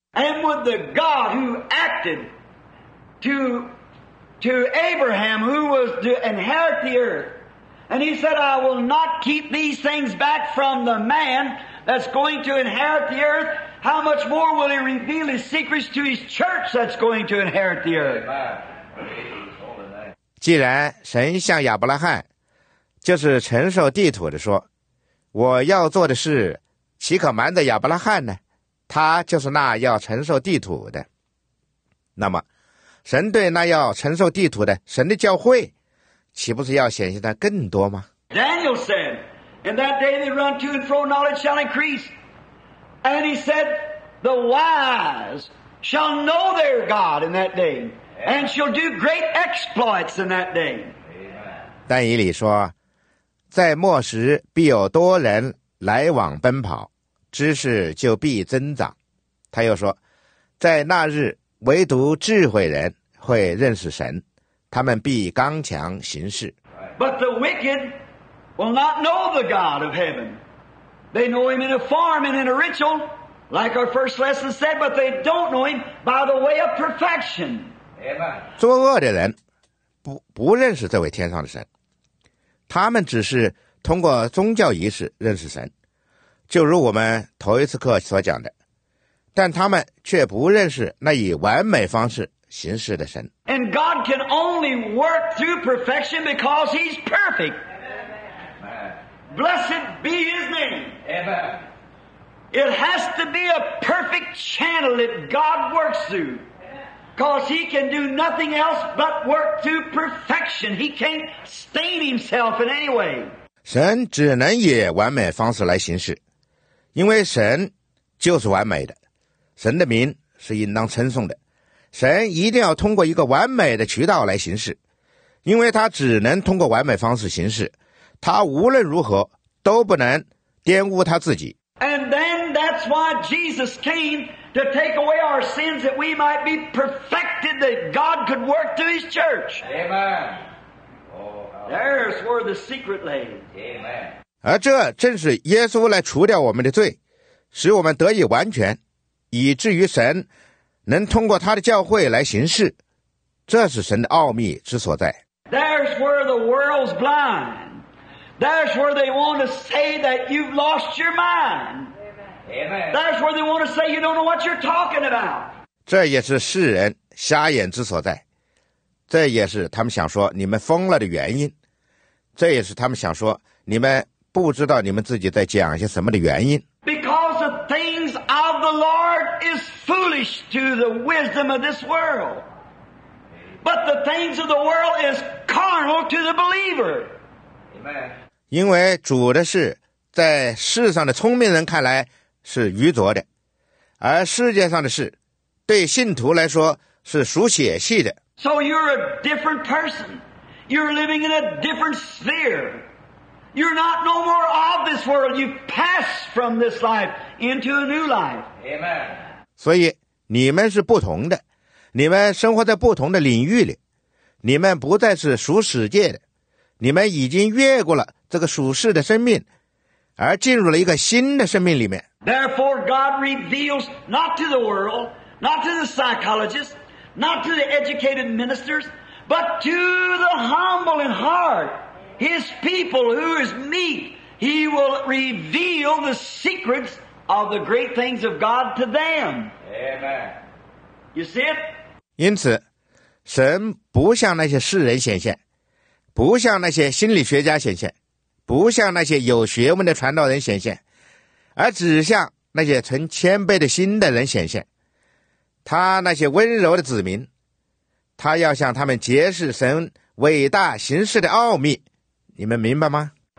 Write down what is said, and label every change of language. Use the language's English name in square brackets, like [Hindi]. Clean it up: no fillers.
[English] And with the God who acted to Abraham, who was to inherit the earth. And he said, I will not keep these things back from the man that's going to inherit the earth. How much more will he reveal his secrets to his church that's going to inherit the earth? [Chinese] 既然神向亚伯拉罕就是承受地土的说，我要做的事岂可瞒着亚伯拉罕呢？他就是那要承受地土的。那么神对那要承受地土的神的教会，岂不是要显现的更多吗？ [English] Daniel said, in that day they run to and fro, knowledge shall increase. And he said, the wise shall know their God in that day, and shall do great exploits in that day. [Chinese] 但以理说，在末时必有多人来往奔跑，知识就必增长。他又说，在那日唯独智慧人会认识神，他们必刚强行事。 [English] But the wicked will not know the God of heaven. They know him in a form and in a ritual, like our first lesson said, but they don't know him by the way of perfection. [Chinese] 作恶的人不认识这位天上的神，他们只是通过宗教仪式认识神，就如我们头一次课所讲的，但他们却不认识那以完美方式行事的神。 [English] And God can only work through perfection because He's perfect. Blessed be His name. Amen. It has to be a perfect channel that God works through, because He can do nothing else but work through perfection. He can't stain Himself in any way. [Chinese] 神只能以完美方式来行事，因为神就是完美的，神的名是应当称颂的。神一定要通过一个完美的渠道来行事，因为他只能通过完美方式行事，他无论如何都不能玷污他自己。 [English] And then that's why Jesus came to take away our sins, that we might be perfected, that God could work through His church. Amen. There's where the secret lay. Amen. [Chinese] 而这正是耶稣来除掉我们的罪，使我们得以完全，以至于神能通过他的教会来行事，这是神的奥秘之所在。 [English] There's where the world's blind. There's where they want to say that you've lost your mind. Amen. That's where they want to say you don't know what you're talking about. [Chinese] 这也是世人瞎眼之所在，这也是他们想说你们疯了的原因，这也是他们想说你们不知道你们自己在讲些什么的原因。 [English] Because the things of the Lord is foolish to the wisdom of this world, but the things of the world is carnal to the believer. Amen. [Chinese] 因为主的事在世上的聪明人看来是愚拙的，而世界上的事对信徒来说是属血气的。 [English] So you're a different person. You're living in a different sphere. You're not no more of this world. You pass from this life into a new life. Amen. [Chinese] 所以你们是不同的，你们生活在不同的领域里，你们不再是属世界的，你们已经越过了这个属世的生命，而进入了一个新的生命里面。 [English] Therefore, God reveals not to the world, not to the psychologists, not to the educated ministers, but to the humble in heart, His people who is meek. He will reveal the secrets of the great things of God to them. Amen. You see it? [Chinese] 因此，神不向那些世人显现，不向那些心理学家显现，不向那些有学问的传道人显现，而只向那些存谦卑的心的人显现。他那些温柔的子民，他要向他们揭示神伟大行事的奥秘，你们明白吗？